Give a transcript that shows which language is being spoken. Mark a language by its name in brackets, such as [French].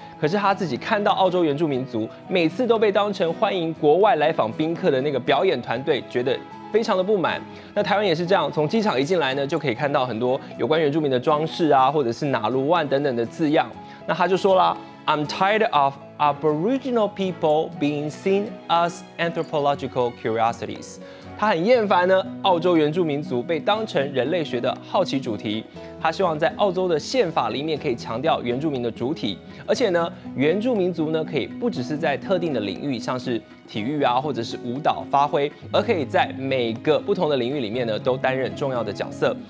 [Chinese] 可是他自己看到澳洲原住民族每次都被当成欢迎国外来访宾客的那个表演团队，觉得。非常的不满。那台湾也是这样，从机场一进来呢，就可以看到很多有关原住民的装饰啊，或者是哪路万等等的字样。那他就说了 [English] ，I'm tired of Aboriginal people being seen as anthropological curiosities。 [Chinese] 他很厌烦呢，澳洲原住民族被当成人类学的好奇主题。他希望在澳洲的宪法里面可以强调原住民的主体，而且呢，原住民族呢可以不只是在特定的领域，像是体育啊或者是舞蹈发挥，而可以在每个不同的领域里面呢都担任重要的角色。